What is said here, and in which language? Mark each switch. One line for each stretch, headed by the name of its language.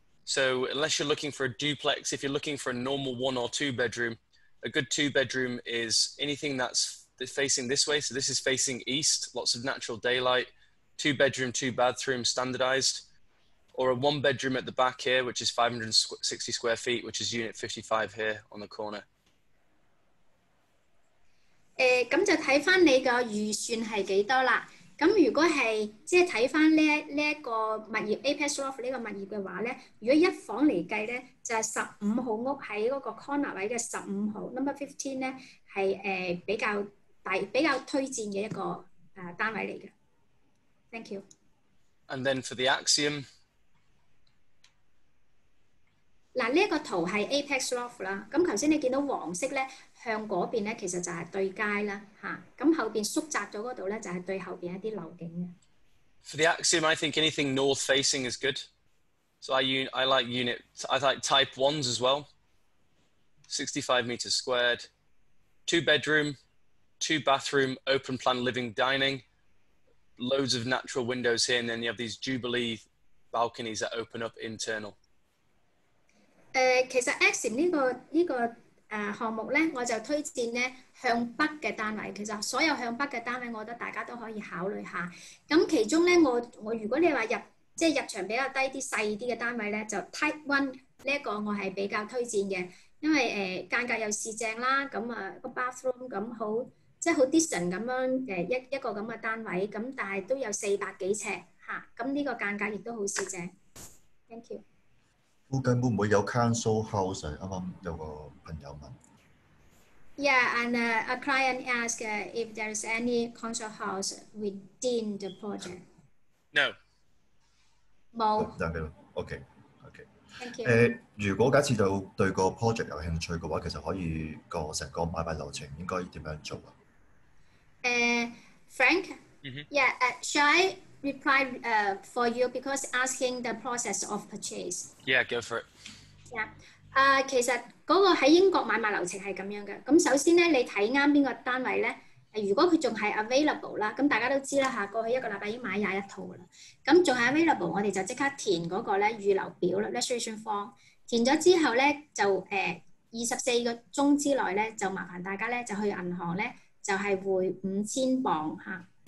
English: So unless you're looking for a duplex, if you're looking for a normal one or two bedroom, a good two bedroom is anything that's facing this way. So this is facing east, lots of natural daylight, two bedroom, two bathroom, standardized, or a one bedroom at the back here, which is 560 square feet, which is unit 55 here on the corner.
Cantonese: 咁就睇翻你個預算係幾多啦。咁如果係即係睇翻呢一個物業 Apex Loft 呢個物業嘅話咧，如果一房嚟計咧，就係15號屋喺嗰個 corner 位嘅15號 number 15咧，係比較推薦嘅一個單位嚟嘅。
English: Thank you. And then for the axiom，
Cantonese: 嗱呢一個圖係 Apex Loft 啦。咁頭先你見到黃色咧。向嗰邊咧，其實就係對街啦，嚇。咁後邊縮窄咗嗰度咧，就係對後邊一啲樓景嘅。
English: For the axiom, I think anything north facing is good. So I like unit. I like type ones as well. 65 meters squared, two bedroom, two bathroom, open plan living dining, loads of natural windows here, and then you have these jubilee balconies that open up internal.
Cantonese: 其實 axiom 呢個。項目咧，我就推薦咧向北嘅單位。其實所有向北嘅單位，我覺得大家都可以考慮下。咁其中咧，我如果你話入場比較低啲、細啲嘅單位咧，就 Type One 呢一個我係比較推薦嘅，因為間隔又市正啦，咁啊個 bathroom 咁好，即係好 decent 咁樣一個咁嘅單位，咁但係都有400多尺嚇，咁呢個間隔亦都好市正。
English: Thank you。
Cantonese: 附近會唔會有 council house？ 啱啱有個朋友問。
English: Yeah, and a client asked if there is any council house within the project. No.
Cantonese: 冇。等緊咯。OK, OK.
English: Thank you.
Cantonese: 如果假設到對個 project 有興趣嘅話，其實可以個成個買賣流程應該點樣做啊？
English: Frank. Yeah. Shall I? Reply for you because asking the process of purchase. Yeah, go for it. Yeah.
Cantonese: 其實嗰個喺英國買賣流程係咁樣嘅。咁首先咧，你睇啱邊個單位咧？如果佢仲係 available 啦，咁大家都知啦嚇，過去一個禮拜已經買21套噶啦。咁仲係 available， 我哋就即刻填嗰個咧預留表啦 ，registration form。填咗之後咧，就24小時之內咧，就麻煩大家咧就去銀行咧，就係匯£5,000嚇。